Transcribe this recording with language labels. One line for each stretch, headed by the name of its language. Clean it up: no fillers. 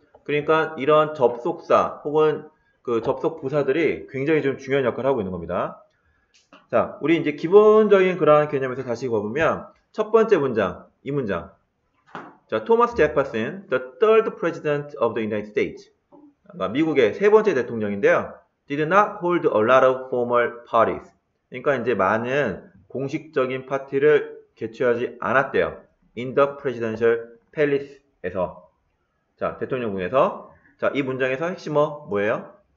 Korean: 그러니까 이런 접속사 혹은 그 접속 부사들이 굉장히 좀 중요한 역할을 하고 있는 겁니다. 자, 우리 이제 기본적인 그러한 개념에서 다시 봐보면 첫 번째 문장, 이 문장. 자,
English: 토마스 제퍼슨, the third president of the United States.
Korean: 미국의 세 번째 대통령인데요.
English: Did not hold a lot of formal parties.
Korean: 그러니까 이제 많은 공식적인 파티를 개최하지 않았대요.
English: In the presidential palace에서.
Korean: 자, 대통령궁에서. 자, 이 문장에서 핵심어 뭐예요?